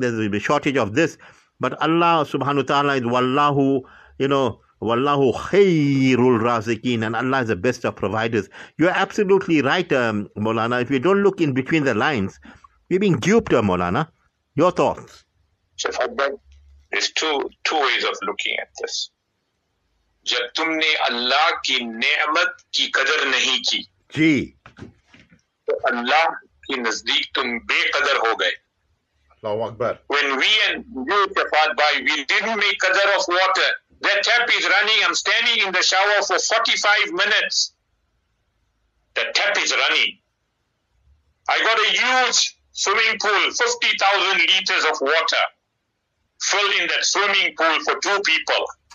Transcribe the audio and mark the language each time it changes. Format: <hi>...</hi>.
<en>There's a shortage of this. But Allah subhanahu wa ta'ala is wallahu, you know,</en> <ar>wallahu khayrul raziqin,</ar> <en>and Allah is the best of providers. You're absolutely right, Maulana. If you don't look in between the lines, you're being duped, Maulana. Your thoughts? Shafat bhai, There's two ways of looking at this.</en> <ur>جب تم نے اللہ کی نعمت کی قدر نہیں کی جی تو اللہ کی نزدیک تم بے قدر ہو گئے. اللہ اکبر.</ur> <en>When we and you, Shafat bhai, we didn't make qadr of water. That tap is running. I'm standing in the shower for 45 minutes. The tap is running. I got a huge swimming pool, 50,000 liters of water filled in that swimming pool for two people.</en>